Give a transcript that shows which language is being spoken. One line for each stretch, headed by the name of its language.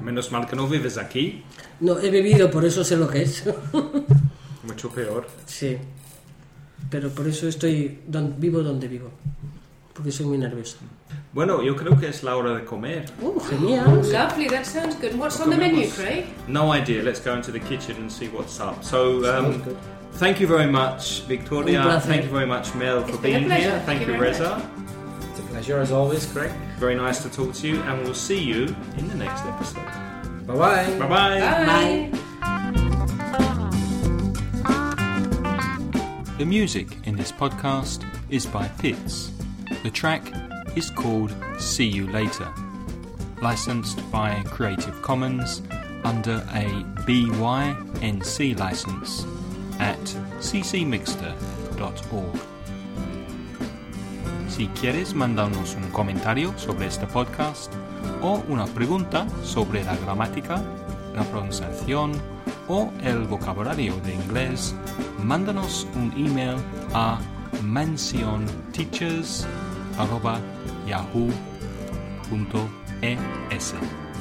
Spanish: Menos mal que no vives aquí. No, he vivido, por eso sé lo que es. Mucho peor. Sí, pero por eso estoy vivo donde vivo, porque soy muy nerviosa. Bueno, yo creo que es la hora de comer. Oh, genial.
English: Lovely, that sounds good. What's on the menu, Craig? No idea. Let's go into the kitchen and see what's up. So, thank you very much, Victoria. Thank you very much, Mel, for being here. Thank you, Reza. It's a pleasure as always, Craig. Very nice to talk to you, and we'll see you in the next episode. Bye-bye. Bye-bye. Bye. The music in this podcast is by Pitts. The track is called See You Later, licensed by Creative Commons under a BYNC license at ccmixter.org.
Spanish: Si quieres mandarnos un comentario sobre este podcast o una pregunta sobre la gramática, la pronunciación o el vocabulario de inglés, mándanos un email a mansionteachers@yahoo.es.